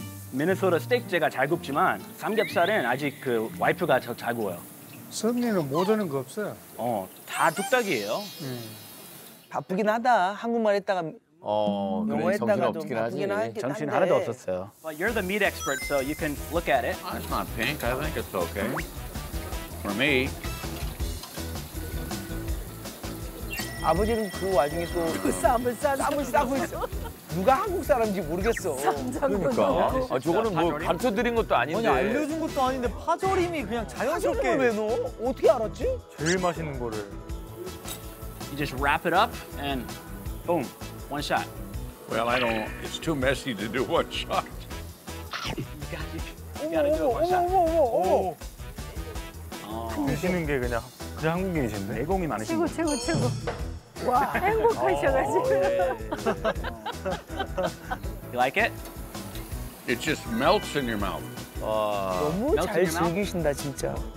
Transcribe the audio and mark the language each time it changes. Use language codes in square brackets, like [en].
[ko] 미네소라 스테이크 제가 잘 굽지만 삼겹살은 아직 그 와이프가 더 잘 구워요. 선미는 모르는 거 없어요. 다 뚝딱이에요. 바쁘긴 하다. 한국말 했다가 영어 했다가 좀 바쁘긴 하긴 한데. 정신 하나도 없었어요. [en] But you're the meat expert, so you can look at it. It's not pink. I think it's okay. For me. [ko] 아버지는 그 와중에 또 쌈을 있어. 누가 한국 사람인지 모르겠어. 그러니까. 아, 저거는 뭐 가르쳐드린 것도 아닌데. 아니, 알려준 것도 아닌데 파절임이 그냥 자연스럽게. 파절임을 왜 넣어? 어떻게 알았지? 제일 맛있는 거를. [en] You just wrap it up and boom, one shot. Well, I don't, it's too messy to do one shot. You gotta do it one shot. [ko] 드시는 게 그냥 한국인이신데. 내공이 많으신 거. 최고. 와, 행복하셔가지고. [en] You like it? It just melts in your mouth. 와, [ko] 너무 잘 즐기신다, 진짜.